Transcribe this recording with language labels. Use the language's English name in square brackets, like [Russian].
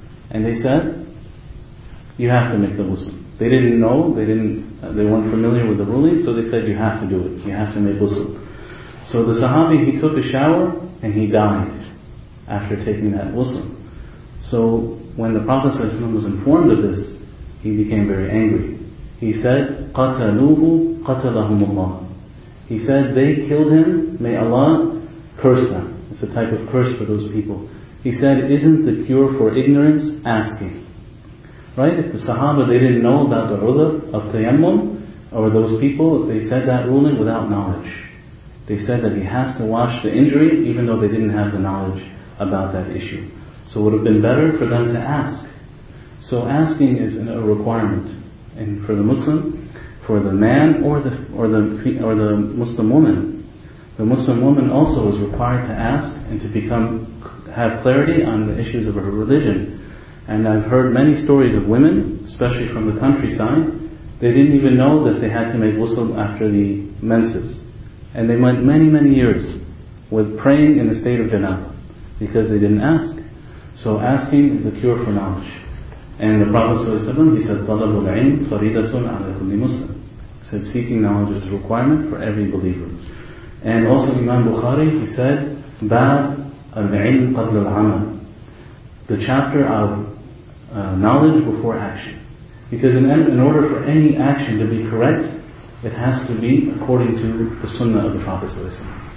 [English] And they said, you have to make the ghusl. They didn't know, they weren't familiar with the ruling, so they said, you have to do it, you have to make ghusl. So the Sahabi, he took a shower and he died after taking that ghusl. So when the Prophet ﷺ was informed of this, he became very angry. He said, [Arabic] قَتَلُوهُ قَتَلَهُمُ اللَّهُ. [English] He said, they killed him, may Allah curse them. It's a type of curse for those people. He said, isn't the cure for ignorance asking? Right? If the Sahaba, they didn't know about the udhr of tayammum, or those people, they said that ruling without knowledge. They said that he has to wash the injury, even though they didn't have the knowledge about that issue. So it would have been better for them to ask. So asking is a requirement. And for the Muslim, for the man or the Muslim woman, the Muslim woman also is required to ask and to become, have clarity on the issues of her religion. And I've heard many stories of women, especially from the countryside, they didn't even know that they had to make ghusl after the menses. And they went many, many years with praying in the state of janabah because they didn't ask. So asking is a cure for knowledge. And the Prophet ﷺ, he said, [Arabic] طَلَبُ الْعِلْمِ فَرِيدَةٌ عَلَى كُلِّ مُسْلِمٍ. [English] He said, seeking knowledge is a requirement for every believer. And also Imam Bukhari, he said, [Arabic] بَعْدْ الْعِلْمِ قَبْلُ الْعَمَلِ. [English] The chapter of knowledge before action. Because in order for any action to be correct, it has to be according to the sunnah of the Prophet ﷺ.